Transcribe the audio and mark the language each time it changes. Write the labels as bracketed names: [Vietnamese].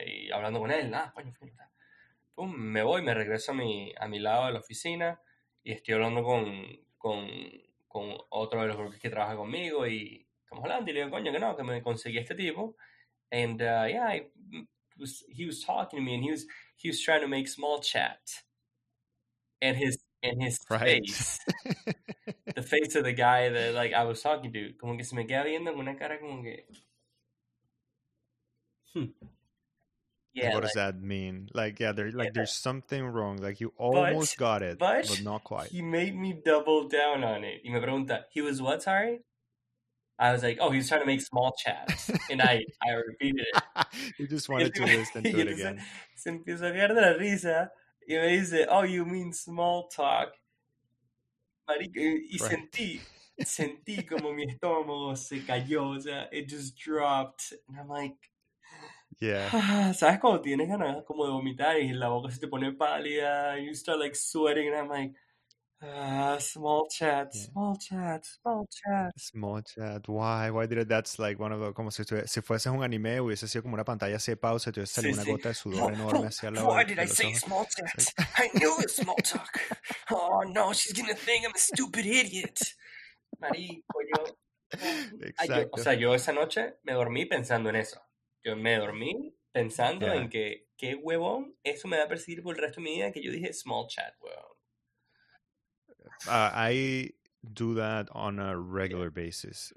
[Spanish] Y hablando con él, pum, me voy, me regreso a mi lado de la oficina y estoy hablando con otro de los brokers que trabaja conmigo y estamos hablando y le digo, coño, que no, que me conseguí este tipo. [English] And he was talking to me and he was trying to make small chat. The face of the guy that, like, I was talking to, [Spanish] como que se me queda viendo con una cara como que. [English] Yeah. What does that mean? Like, yeah, there's something wrong. Like, you almost got it, but not quite. He made me double down on it. [Spanish] Y me pregunta, [English] he was what, sorry? I was like, oh, he's trying to make small chat. And I repeated it. He just wanted to listen to it again. [Spanish] Se empieza a caer de la risa. Y me dice, [English] oh, you mean small talk. [Spanish] Marico, y right. sentí como mi estómago se cayó, o sea, [English] it just dropped. And I'm like, yeah. [Spanish] ¿Sabes cuando tienes ganas como de vomitar y la boca se te pone pálida? [English] And you start like sweating and I'm like, small chat. Why did it? That's like one of the, [Spanish] como si fuese un anime, hubiese sido como una pantalla sepa, o se te hubiese salido una gota de sudor enorme hacia la boca. [English] Why did I say small chat? I knew it was small talk. Oh no, she's gonna think I'm a stupid idiot. [Spanish] Marico, yo. Exacto. O sea, yo esa noche me dormí pensando en eso. Yo me dormí pensando en que, qué huevón, eso me va a perseguir por el resto de mi vida, que yo dije small chat, huevón. [English] I do that on a regular basis.